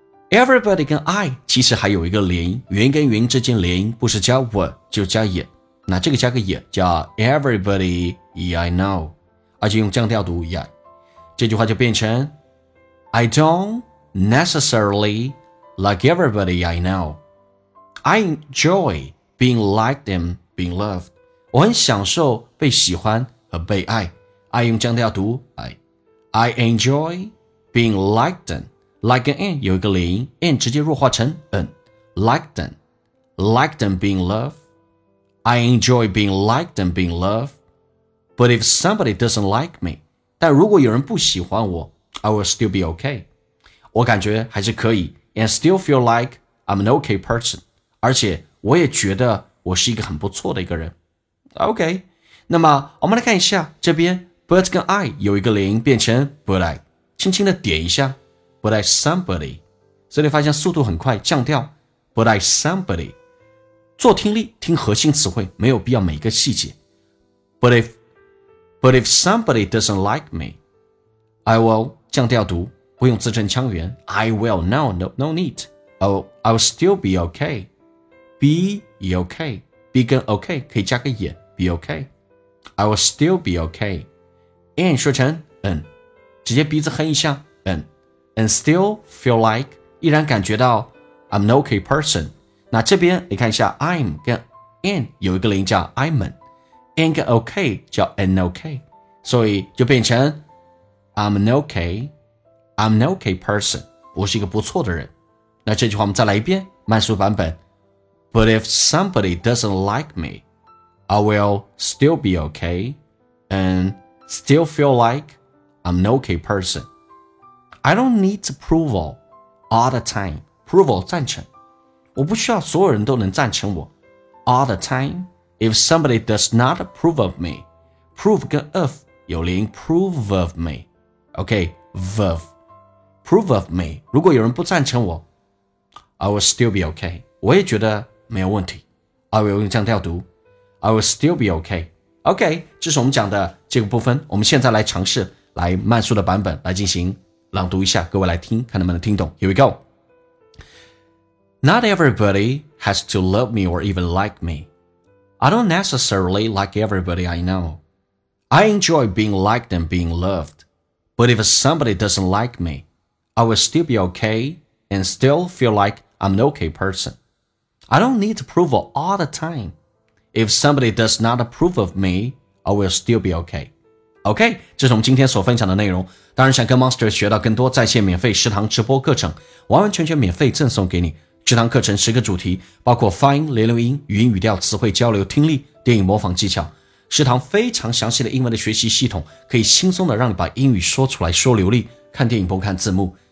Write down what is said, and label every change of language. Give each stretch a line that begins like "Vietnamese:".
Chinese: everybody 跟 I 其实还有一个连音，元跟元之间连音不是加 我 就加也，那这个加个也叫
English: everybody yeah, I know，
Chinese: 而且用降调读 yeah， 这句话就变成
English: I don't necessarily like everybody I knowI enjoy being liked and being loved.
Chinese: 我很享受被喜欢和被爱。 I 用降调读 I.
English: I enjoy being liked and liked and
Chinese: 有一个连音
English: and 直接弱化成 and liked and liked and being loved. I enjoy being liked and being loved. But if somebody doesn't like me,
Chinese: 但如果有人不喜欢我，
English: I will still be okay.
Chinese: 我感觉还是可以
English: and still feel like I'm an okay person.
Chinese: 而且我也觉得我是一个很不错的一个人。OK， 那么我们来看一下这边 but 跟 I 有一个连音变成 but I， 轻轻的点一下
English: but I somebody，
Chinese: 所以你发现速度很快，降调 but I somebody， 做听力听核心词汇没有必要每一个细节。
English: but if somebody doesn't like me， I will
Chinese: 降调读，不用字正腔圆，
English: I will no need， I will still be okayBe okay. Be 跟 okay 可以加个也， be okay. I will still be okay. And 说成 and，
Chinese: 直接鼻子哼一下
English: and， and still feel like，
Chinese: 依然感觉到
English: I'm an okay person.
Chinese: 那这边你看一下 I'm 跟 and 有一个连音叫 I'm an， and 跟 okay 叫 an okay， 所以就变成
English: I'm an okay person，
Chinese: 我是一个不错的人。那这句话我们再来一遍慢速版本，
English: But if somebody doesn't like me, I will still be okay and still feel like I'm an okay person. I don't need approval all the time. Approval, 赞成。
Chinese: 我不需要所有人都能赞成我。
English: All the time, if somebody does not approve of me, prove 跟 of
Chinese: 有连音
English: prove of me. Okay, of. Prove of me.
Chinese: 如果有人不赞成我，
English: I will still be okay.
Chinese: 我也觉得没有问题， I will 用降调读，
English: I will still be okay.
Chinese: OK， 这是我们讲的这个部分，我们现在来尝试来慢速的版本来进行朗读一下，各位来听看能不能听懂。
English: Here we go. Not everybody has to love me or even like me. I don't necessarily like everybody I know. I enjoy being liked and being loved. But if somebody doesn't like me, I will still be okay and still feel like I'm an okay personI don't need approval all the time. If somebody does not approve of me, I will still be okay.
Chinese: OK， 这是我们今天所分享的内容。当然想跟 Monster 学到更多在线免费食堂直播课程，完完全全免费赠送给你。食堂课程十个主题，包括发音、连留音、语音语调、词汇交流、听力、电影模仿技巧。食堂非常详细的英文的学习系统，可以轻松的让你把英语说出来说流利，看电影不看字幕。